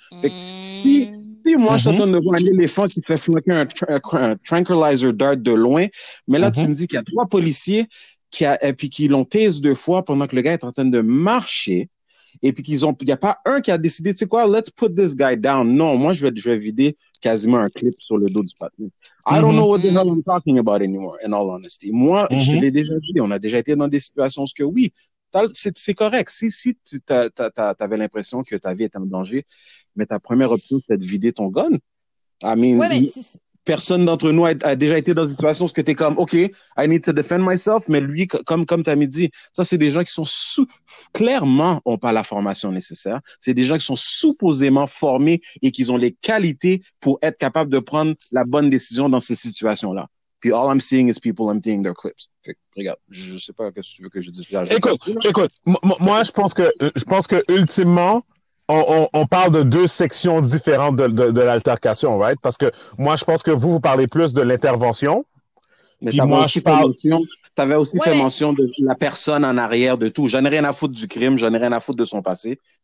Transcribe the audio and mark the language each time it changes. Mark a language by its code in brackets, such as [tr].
[fr] Fait que, si moi, je suis en train de voir un éléphant qui se fait flanquer un tranquilizer dart de loin, mais là, tu me dis qu'il y a trois policiers qui l'ont tase deux fois pendant que le gars est en train de marcher, et puis qu'il n'y a pas un qui a décidé, tu sais quoi, [en] let's put this guy down. [fr] Non, moi, je vais vider quasiment un clip sur le dos du patron. [en] I don't know what the hell I'm talking about anymore, in all honesty. [fr] Moi, je l'ai déjà dit, on a déjà été dans des situations où oui, c'est correct. Si tu avais l'impression que ta vie était en danger, mais ta première option, c'est de vider ton gun. [en] I mean, [fr] personne d'entre nous a déjà été dans une situation où tu es comme, [en] OK, I need to defend myself, [fr] mais lui, comme Tammy dit, ça, c'est des gens qui sont clairement n'ont pas la formation nécessaire. C'est des gens qui sont supposément formés et qui ont les qualités pour être capables de prendre la bonne décision dans ces situations-là. [en] Puis all I'm seeing is people emptying their clips. [fr] Fait que, regarde, je sais pas qu'est-ce que tu veux que je dise. Écoute, moi, je pense que ultimement, on parle de deux sections différentes de l'altercation, right? Parce que moi, je pense que vous parlez plus de l'intervention. Mais puis moi, je parle... T'avais aussi fait mention de la personne en arrière de tout. J'en ai rien à foutre du crime, j'en ai rien à foutre de son passé.